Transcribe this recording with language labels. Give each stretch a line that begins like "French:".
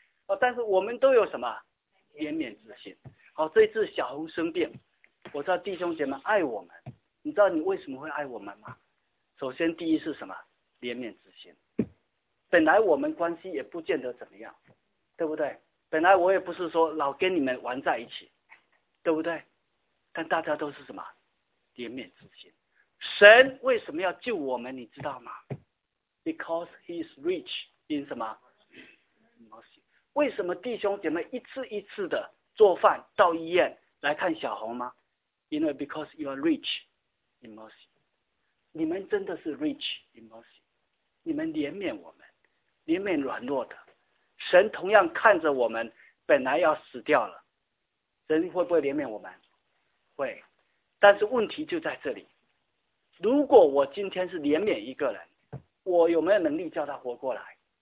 Chinese: 哦，但是我们都有什么怜悯之心？哦，这次小红生病，我知道弟兄姐妹爱我们，你知道你为什么会爱我们吗？首先第一是什么？怜悯之心。本来我们关系也不见得怎么样，对不对？本来我也不是说老跟你们玩在一起，对不对？但大家都是什么？怜悯之心。神为什么要救我们，你知道吗？
English: Because he is rich in
Chinese: 什么？为什么弟兄姐妹一次一次的做饭到医院来看小红吗？
English: You know, because you are rich in mercy.
Chinese: 你们真的是
English: rich in mercy，
Chinese: 你们怜悯我们，怜悯软弱的。神同样看着我们本来要死掉了，神会不会怜悯我们？会。但是问题就在这里，如果我今天是怜悯一个人，我有没有能力叫他活过来？